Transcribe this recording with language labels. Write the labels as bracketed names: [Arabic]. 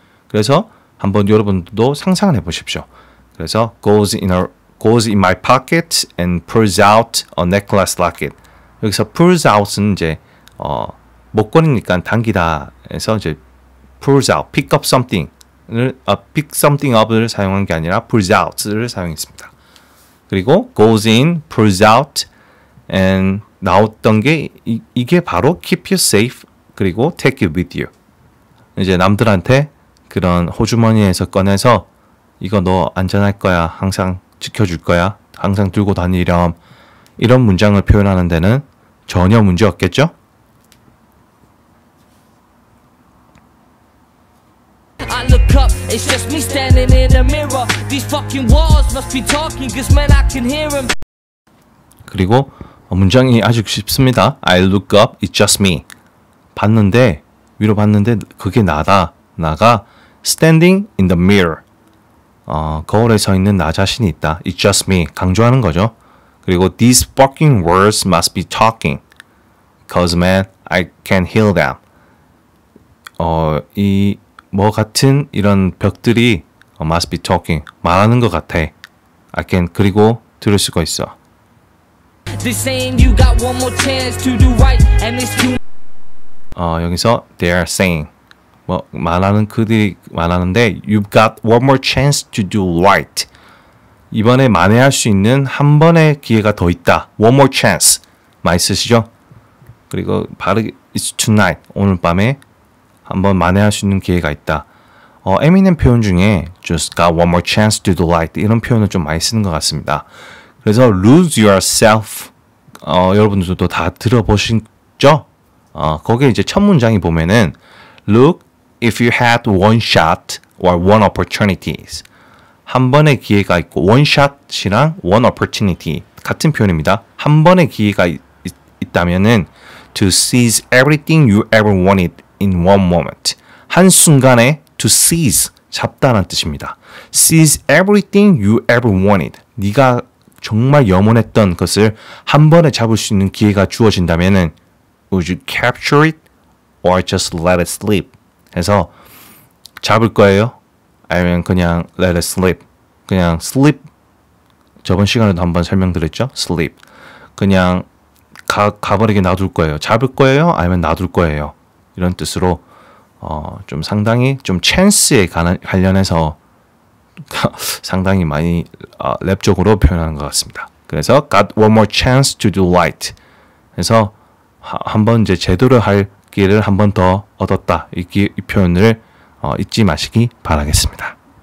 [Korean] 그래서 한번 여러분들도 상상을 해보십시오. 그래서 [English] goes in my pocket and pulls out a necklace locket. [Korean] 여기서 [English] pulls out [Korean] 은 이제 목걸이니까 당기다에서 이제 pulls out, [English] pick up something [Korean] 을 [English] pick something up [Korean] 을 사용한 게 아니라 pulls out를 사용했습니다. 그리고 [English] goes in, pulls out and [Korean] 나왔던 게 이게 바로 [English] keep you safe 그리고 take it with you. [Korean] 이제 남들한테 그런 호주머니에서 꺼내서 이거 너 안전할 거야. 항상 지켜줄 거야. 항상 들고 다니렴. 이런 문장을 표현하는 데는 전혀 문제 없겠죠? [English] I look up. It's just me standing in a mirror. These fucking walls must be talking, cause man, I can hear them. [Korean] 그리고 문장이 아주 쉽습니다. [English] I look up, it's just me. [Korean] 봤는데, 위로 봤는데 그게 나다. 나가 [English] standing in the mirror. [Korean] 거울에 서 있는 나 자신이 있다. [English] It's just me. [Korean] 강조하는 거죠. 그리고 [English] these fucking words must be talking. Cause man, I can hear them. [Korean] 이 뭐 같은 이런 벽들이 [English] must be talking. [Korean] 말하는 것 같아. [English] I can [Korean] 그리고 들을 수가 있어. [English] This ain't you got one more chance to do right and it's too [Korean] 여기서 [English] they are saying [Korean] 뭐 말하는 그들이 말하는데 [English] you've got one more chance to do right [Korean] 이번에 만회할 수 있는 한 번의 기회가 더 있다 [English] one more chance [Korean] 많이 쓰시죠 그리고 바르게 [English] it's tonight [Korean] 오늘 밤에 한번 만회할 수 있는 기회가 있다 에미넴 표현 중에 [English] just got one more chance to do right [Korean] 이런 표현을 좀 많이 쓰는 것 같습니다 그래서 lose yourself 여러분들도 다 들어보셨죠? 거기 이제 첫 문장이 보면은 [English] look if you had one shot or one opportunities [Korean] 한 번의 기회가 있고 [English] one shot이랑 one opportunity [Korean] 같은 표현입니다. 한 번의 기회가 있다면은 [English] to seize everything you ever wanted in one moment [Korean] 한 순간에 [English] to seize [Korean] 잡다라는 뜻입니다. [English] seize everything you ever wanted [Korean] 네가 정말 염원했던 것을 한 번에 잡을 수 있는 기회가 주어진다면은 [English] Would you capture it or just let it slip? [Korean] 해서 잡을 거예요? 아니면 그냥 [English] let it slip? [Korean] 그냥 slip? 저번 시간에도 한번 설명드렸죠? [English] slip. [Korean] 그냥 가버리게 놔둘 거예요. 잡을 거예요? 아니면 놔둘 거예요? 이런 뜻으로 좀 상당히 좀 chance에 관련해서 상당히 많이 랩적으로 표현하는 것 같습니다. [English] 그래서 got one more chance to do right. [Korean] 해서 한번 이제 제대로 할 기회를 한번 더 얻었다. 이 표현을 잊지 마시기 바라겠습니다.